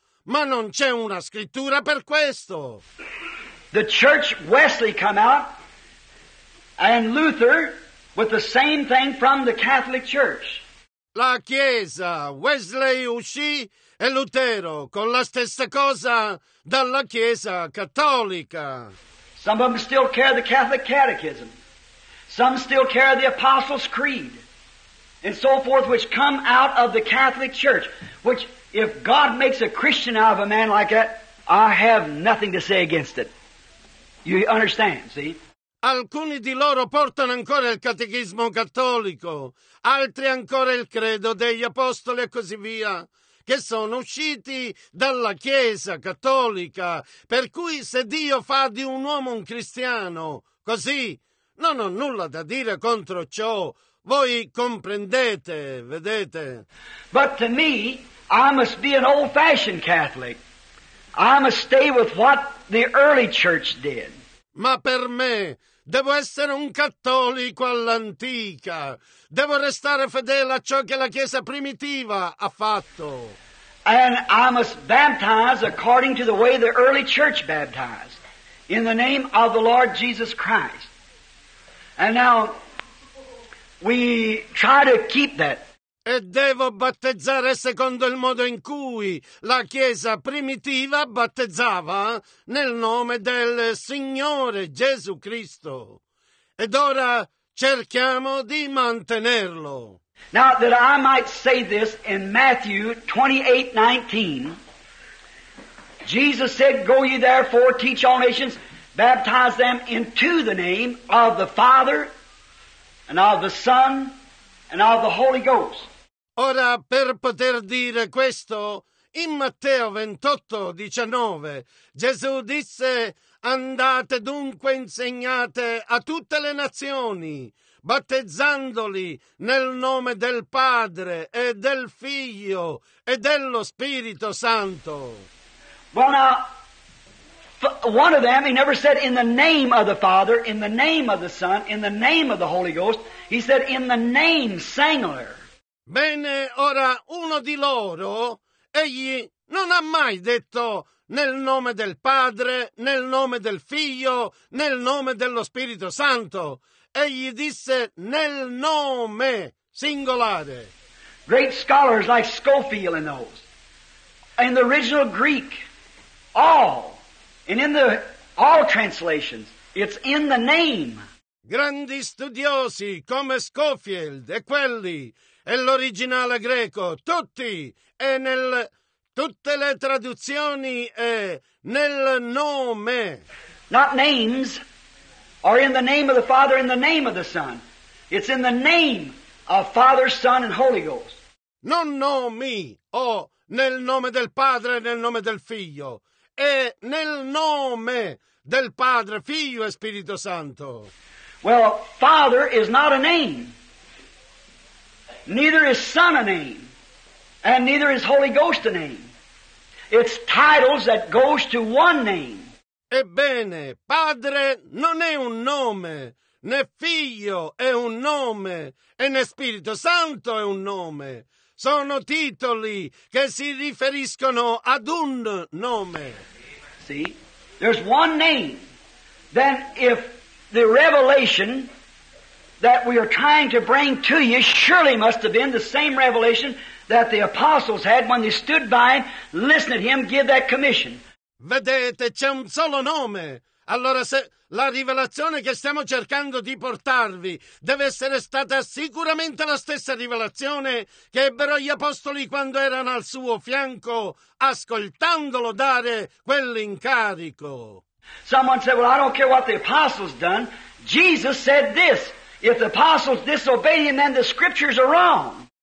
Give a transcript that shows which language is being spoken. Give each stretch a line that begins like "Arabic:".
Italian: Ma non c'è una scrittura per questo.
English: The Church Wesley come out and Luther with the same thing from the Catholic Church.
Italian: La Chiesa Wesley uscì e Lutero con la stessa cosa dalla Chiesa Cattolica.
English: Some of them still carry the Catholic Catechism. Some still carry the Apostles' Creed. And so forth, which come out of the Catholic Church. Which, if God makes a Christian out of a man like that, I have nothing to say against it. You understand, see?
Italian: Alcuni di loro portano ancora il Catechismo Cattolico, altri ancora il Credo degli Apostoli e così via, che sono usciti dalla Chiesa Cattolica. Per cui, se Dio fa di un uomo un cristiano, così, non ho nulla da dire contro ciò. Voi comprendete, vedete.
English: But to me, I must be an old-fashioned Catholic. I must stay with what the early church did.
Italian: Ma per me, devo essere un cattolico all'antica. Devo restare fedele a ciò che la Chiesa primitiva ha fatto.
English: And I must baptize according to the way the early church baptized, in the name of the Lord Jesus Christ. And now, we try to keep that.
Italian: E devo battezzare secondo il modo in cui la Chiesa primitiva battezzava nel nome del Signore Gesù Cristo. Ed ora cerchiamo di mantenerlo.
English: Now that I might say this in Matthew 28:19, Jesus said, "Go ye therefore, teach all nations, baptize them into the name of the Father, and of the Son, and of the Holy Ghost."
Italian: Ora, per poter dire questo, in Matteo 28:19, Gesù disse, andate dunque insegnate a tutte le nazioni, battezzandoli nel nome del Padre, e del Figlio, e dello Spirito Santo.
English: Well now, one of them, he never said in the name of the Father, in the name of the Son, in the name of the Holy Ghost. He said in the name singular.
Italian: Bene, ora uno di loro, egli non ha mai detto nel nome del Padre, nel nome del Figlio, nel nome dello Spirito Santo. Egli disse nel nome singolare.
English: Great scholars like Scofield and those. In the original Greek, all. And in all translations, it's in the name.
Italian: Grandi studiosi come Scofield e quelli, e l'originale greco, tutti, e nel tutte le traduzioni, e nel nome.
English: Not names, or in the name of the Father, in the name of the Son. It's in the name of Father, Son, and Holy Ghost.
Italian: Non nomi, o nel nome del Padre, nel nome del Figlio. E nel nome del Padre, Figlio e Spirito Santo.
English: Well, Father is not a name. Neither is Son a name. And neither is Holy Ghost a name. It's titles that goes to one name.
Italian: Ebbene, Padre non è un nome, né Figlio è un nome, e né Spirito Santo è un nome. Sono titoli che si riferiscono ad un nome.
English: See? There's one name. Then if the revelation that we are trying to bring to you surely must have been the same revelation that the apostles had when they stood by him, listened to him, give that commission.
Italian: Vedete, c'è un solo nome. Allora se la rivelazione che stiamo cercando di portarvi deve essere stata sicuramente la stessa rivelazione che ebbero gli apostoli quando erano al suo fianco, ascoltandolo dare quell'incarico.
English: Someone said, well, I don't care what the apostles done. Jesus said this. If the apostles disobey him, then the scriptures are wrong.